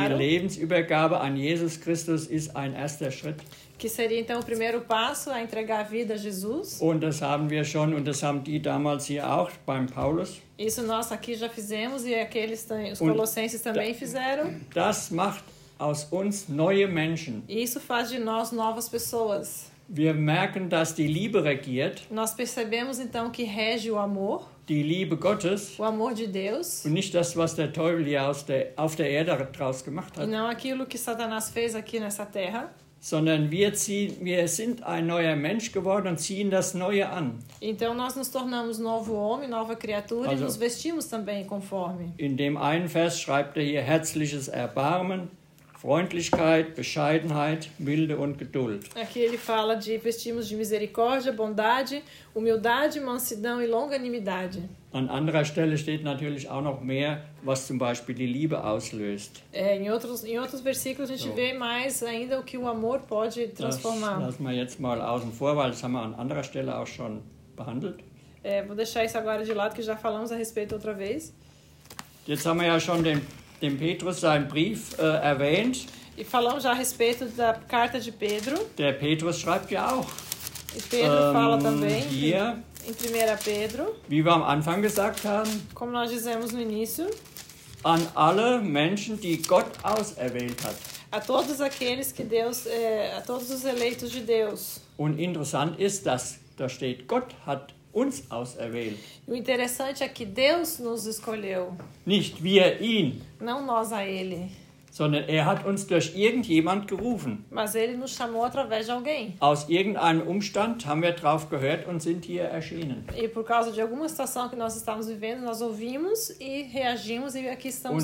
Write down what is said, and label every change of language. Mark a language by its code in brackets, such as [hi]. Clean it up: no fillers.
[de] Die Lebensübergabe an Jesus Christus ist ein erster Schritt. [pt] Que seria então o primeiro passo a entregar a vida a Jesus. [de] Und das haben wir schon und das haben die damals hier auch beim Paulus. [pt] Isso nós aqui já fizemos e aqueles os Colossenses também fizeram. [de] Das macht aus uns neue Menschen. [pt] Isso faz de nós novas pessoas. [de] Wir merken, dass die Liebe regiert. [pt] Nós percebemos então que rege o amor. [de] Die Liebe Gottes. [pt] O amor de Deus. [de] Und nicht das, was der Teufel hier auf der Erde draus gemacht hat. [pt] Não aquilo que Satanás fez aqui nessa terra. [de] Sondern wir sind ein neuer Mensch geworden und ziehen das Neue an. [pt] Então nós nos tornamos novo homem, nova criatura, also, e nos vestimos também conforme. [de] In dem einen Vers schreibt er hier herzliches Erbarmen, Freundlichkeit, Bescheidenheit, Milde und Geduld. [pt] Aqui ele fala de vestimos de misericórdia, bondade, humildade, mansidão e longanimidade. [de] An anderer Stelle steht natürlich auch noch mehr, was zum Beispiel die Liebe auslöst. In anderen [pt] Versículos a gente vê mais ainda o que o amor pode transformar. [de] Das lassen wir jetzt mal außen vor, weil das haben wir an anderer Stelle auch schon behandelt. [pt] Vou deixar isso agora de lado, que já falamos a respeito outra vez. [de] Jetzt haben wir ja schon den Petrus seinen Brief erwähnt. [pt] E falamos já a respeito da carta de Pedro. [de] Der Petrus schreibt ja auch. [pt] E Pedro fala também. Hier. In 1. Pedro, [de] wie wir am Anfang gesagt haben, [pt] como nós dizemos no início, [de] an alle Menschen, die Gott auserwählt hat. [pt] A todos aqueles que Deus, a todos os eleitos de Deus. [de] Und interessant ist, dass da steht, Gott hat uns auserwählt. [pt] O interessante é que Deus nos escolheu. [de] Nicht wir ihn. [pt] Não nós a ele. [de] Sondern er hat uns durch irgendjemand gerufen. [pt] Mas ele nos chamou através de alguém. [de] Aus irgendeinem Umstand haben wir drauf gehört und sind hier erschienen. [pt] E por causa de alguma situação que nós estamos vivendo, nós ouvimos e reagimos e aqui estamos